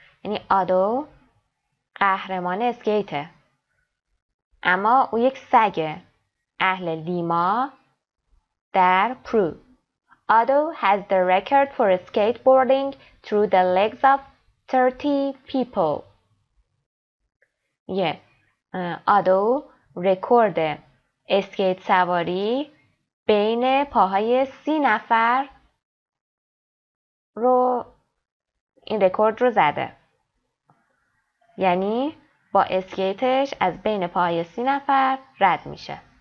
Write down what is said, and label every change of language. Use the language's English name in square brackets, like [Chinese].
[Persian] یعنی Otto قهرمان اسکیته. اما او یک سگ اهل لیما در پرو. [English] Otto has the record for skateboarding through the legs of 30 people. Yeah. [Persian] Otto رکورد اسکیت سواری بین پاهای 30 نفر رو این رکورد رو زده. یعنی با اسکیتش از بین پای 30 نفر رد میشه.